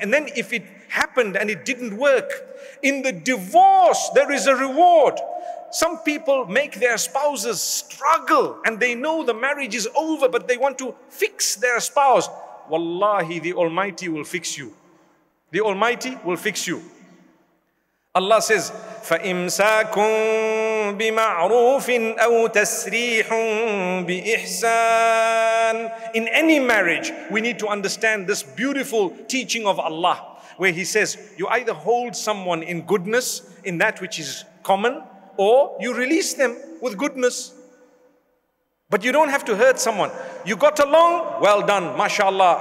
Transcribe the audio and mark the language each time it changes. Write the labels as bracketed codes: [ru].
[en] And then if it happened and it didn't work, in the divorce, there is a reward. Some people make their spouses struggle and they know the marriage is over, but they want to fix their spouse. Wallahi, the Almighty will fix you. The Almighty will fix you. Allah says, [ar] فَإِمْسَاكُمْ بِمَعْرُوفٍ أَوْ تَسْرِيحٌ بِإِحْسَانٍ. [en] In any marriage, we need to understand this beautiful teaching of Allah, where He says, you either hold someone in goodness, in that which is common, or you release them with goodness. But you don't have to hurt someone. You got along, well done, mashallah.